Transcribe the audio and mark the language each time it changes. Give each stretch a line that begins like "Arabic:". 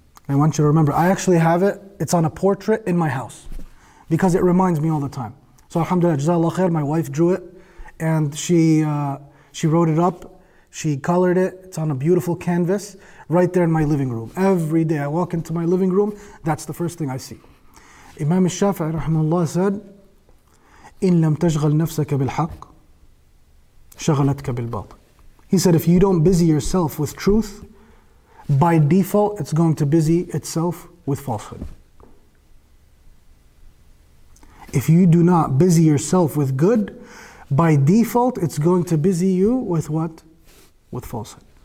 English: I want you to remember, I actually have it. It's on a portrait in my house because it reminds me all the time. So alhamdulillah, jazallah khair, my wife drew it and she wrote it up. She colored it. It's on a beautiful canvas right there in my living room. Every day I walk into my living room, that's the first thing I see. Imam al-Shafi'i rahimahullah said,
Arabic: إن لم تشغل نفسك بالحق شغلتك بالباطل.
English: He said, if you don't busy yourself with truth, by default, it's going to busy itself with falsehood. If you do not busy yourself with good, by default, it's going to busy you with what? With falsehood.